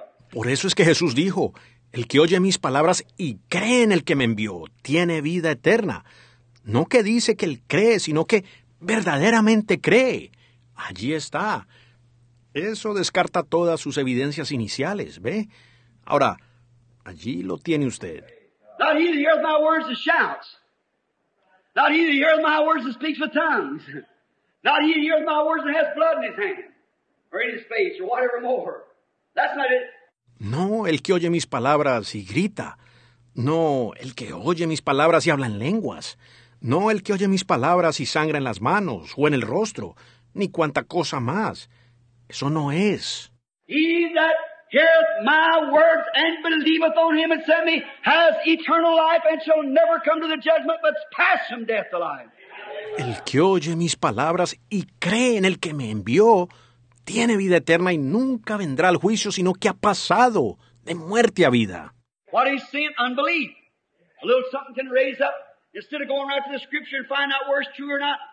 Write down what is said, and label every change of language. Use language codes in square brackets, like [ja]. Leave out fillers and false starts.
[es] Por eso es que Jesús dijo, el que oye mis palabras y cree en el que me envió, tiene vida eterna. No que dice que él cree, sino que verdaderamente cree. Allí está. Eso descarta todas sus evidencias iniciales, ¿ve? Ahora, allí lo tiene usted. [en] Not he that heareth my words that shouts. Not he that heareth my words that speaks with tongues. Not he that heareth my words that has blood in his hand. Or in his face, or whatever more. That's not it. [es] No, el que oye mis palabras y grita. No, el que oye mis palabras y habla en lenguas. No, el que oye mis palabras y sangra en las manos o en el rostro, ni cuanta cosa más. Eso no es. [en] He that heareth my words and believeth on him that sent me has eternal life and shall never come to the judgment, but pass from death to life. Amen. [es] El que oye mis palabras y cree en el que me envió, tiene vida eterna y nunca vendrá al juicio, sino que ha pasado de muerte a vida. [en] What is sin? Unbelief. A little something can raise up. Instead of going right to the scripture and find out where it's true or not.